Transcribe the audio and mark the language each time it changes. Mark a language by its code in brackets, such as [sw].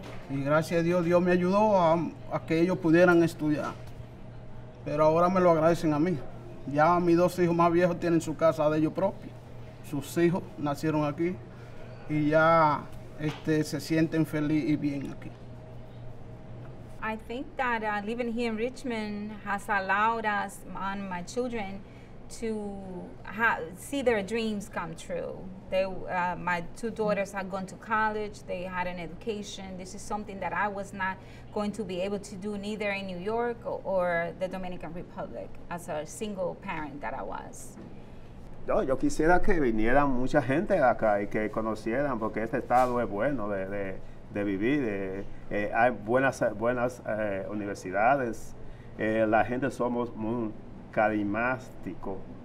[es] Y gracias a Dios, Dios me ayudó a que ellos pudieran estudiar. Pero ahora me lo agradecen a mí. Ya mis 2 hijos más viejos tienen su casa de ellos propios. Sus hijos nacieron aquí y ya se sienten feliz y bien aquí. [en] I think that living here in Richmond has allowed us and my children to see their dreams come true. My 2 daughters have gone to college. They had an education. This is something that I was not going to be able to do, neither in New York or the Dominican Republic, as a single parent that I was. [es] Yo quisiera que viniera mucha gente acá y que conocieran, porque este estado es bueno de vivir. Hay buenas universidades. La gente somos muy carismático.